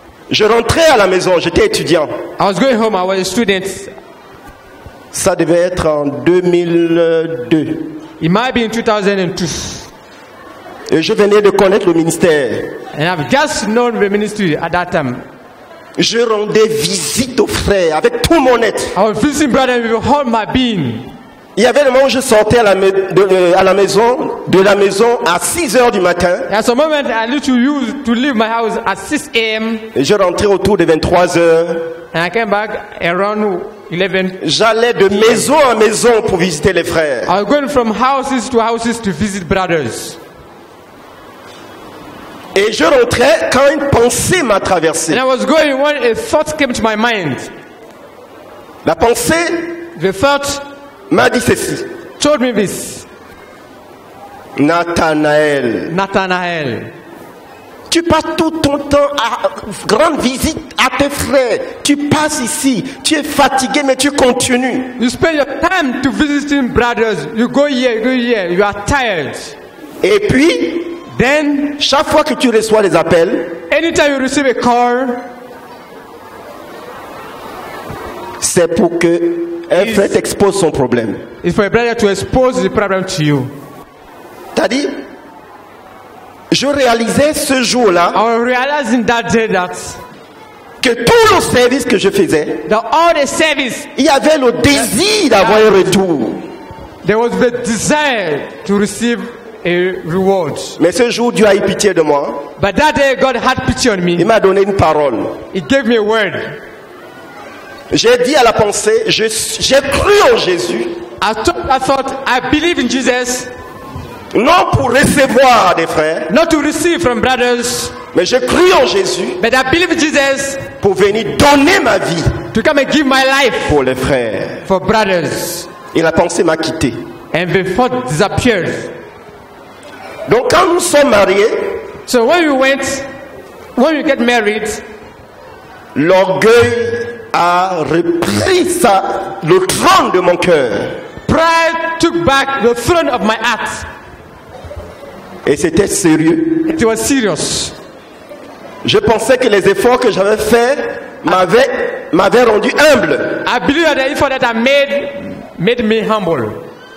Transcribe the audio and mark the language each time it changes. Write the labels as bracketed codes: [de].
[fr] Je rentrais à la maison. J'étais étudiant. [en] I was going home. I was a student. [fr] Ça devait être en 2002. [en] It might be in 2002. [fr] Et je venais de connaître le ministère. [en] And I've just known the ministry at that time. [fr] Je rendais visite aux frères avec tout mon être. [en] I was visiting brother with all my being. [fr] Il y avait le moment où je sortais à la maison à 6h du matin. [en] At some moment I literally used to leave my house at 6 a.m. [fr] Et je rentrais autour de 23h. [en] And I came back around 11. [fr] J'allais de maison en maison pour visiter les frères. [en] I was going from houses to houses to visit brothers. [fr] Et je rentrais quand une pensée m'a traversé. [en] And I was going when a thought came to my mind. [fr] La pensée, [en] the thought, [fr] m'a dit ceci. [en] Told me this. [fr] Nathanael. Tu passes tout ton temps à grande visite à tes frères. Tu passes ici. Tu es fatigué, mais tu continues. [en] You spend your time to visiting brothers. You go here, you go here. You are tired. [fr] Et puis, [en] then, [fr] chaque fois que tu reçois des appels, [en] anytime you receive a call, [fr] c'est pour que un frère t'expose son problème. [en] It's for a brother to expose the problem to you. [fr] T'as dit? Je réalisais ce jour-là, [en] I was realizing that day that, [fr] que tout le service que je faisais, [en] that all the service, [fr] il y avait le désir d'avoir un retour. [en] There was the desire to receive a reward. [fr] Mais ce jour, Dieu a eu pitié de moi. [en] But that day, God had pity on me. [fr] Il m'a donné une parole. [en] He gave me a word. [fr] J'ai dit à la pensée, j'ai cru en Jésus. [en] I thought, I believe in Jesus. [fr] Non pour recevoir des frères. [en] Not to receive from brothers. [fr] Mais j'ai cru en Jésus. [en] But I believe in Jesus. [fr] Pour venir donner ma vie. [en] To come and give my life. [fr] Pour les frères. [en] For brothers. [fr] Et la pensée m'a quitté. [en] And the thought disappeared. [fr] Donc quand nous sommes mariés, [en] so when you get married, [fr] l'orgueil a repris ça, le trône de mon cœur. [en] Pride took back the throne of my heart. [fr] Et c'était sérieux. [en] It was serious. [fr] Je pensais que les efforts que j'avais faits m'avaient rendu humble. [en] I believe that the effort that I made made me humble.